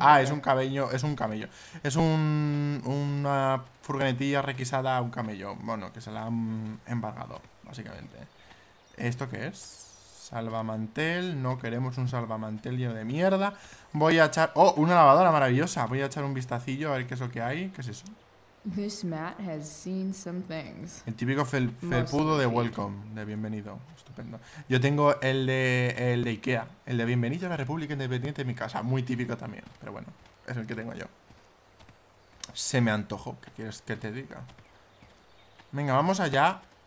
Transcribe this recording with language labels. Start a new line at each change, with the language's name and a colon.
Spanish: Ah, es un camello, es un camello. Es una furgonetilla requisada a un camello. Bueno, que se la han embargado, básicamente. ¿Esto qué es? Salvamantel, no queremos un salvamantel lleno de mierda. Voy a echar... ¡Oh! Una lavadora maravillosa. Voy a echar un vistacillo a ver qué es lo que hay. ¿Qué es eso?
English: This mat has seen some things.
Spanish: El típico felpudo de welcome, de bienvenido. Estupendo. Yo tengo el de Ikea, el de bienvenido a la República Independiente de mi casa. Muy típico también, pero bueno, es el que tengo yo. Se me antojó, ¿qué quieres que te diga? Venga, vamos allá.